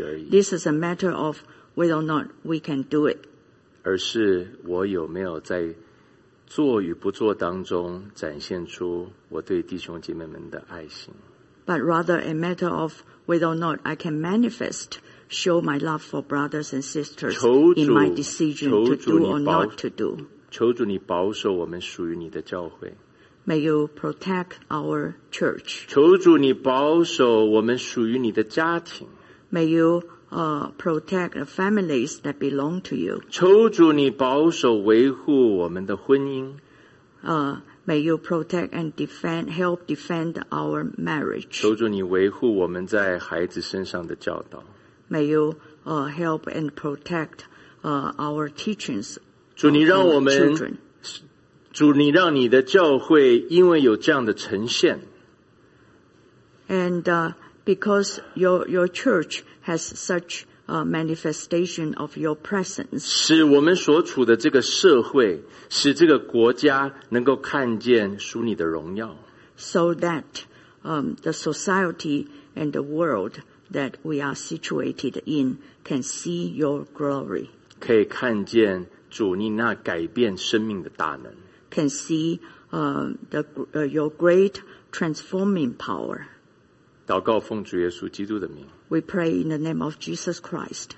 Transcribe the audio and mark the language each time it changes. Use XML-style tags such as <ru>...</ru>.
<en>This is a matter of whether or not we can do it.</en> <zh>而是我有没有在做与不做当中展现出我对弟兄姐妹们的爱心。</zh> <en>But rather a matter of whether or not I can manifest, show my love for brothers and sisters in my decision to do or not to do.</en> <zh>求主你保守我们属于你的教会。</zh> <en>May you protect our church.</en> <zh>求主你保守我们属于你的家庭。</zh> <en>May you protect the families that belong to you.</en> <zh>求主你保守维护我们的婚姻。</zh> <en>May you protect and defend, help defend our marriage.</en> <zh>求主你维护我们在孩子身上的教导。</zh> <en>May you help and protect our teachings.</en> <zh>主你让我们，主你让你的教会因为有这样的呈现。</zh> <en>And because your church has such a manifestation of your presence.</en> <zh>使我们所处的这个社会，使这个国家能够看见属你的荣耀。</zh> <en>So that the society and the world that we are situated in can see your glory.</en> <zh>可以看见主你那改变生命的大能。</zh> <en>Can see your great transforming power.</en> <zh>祷告奉主耶稣基督的名。</zh> <en>We pray in the name of Jesus Christ.</en>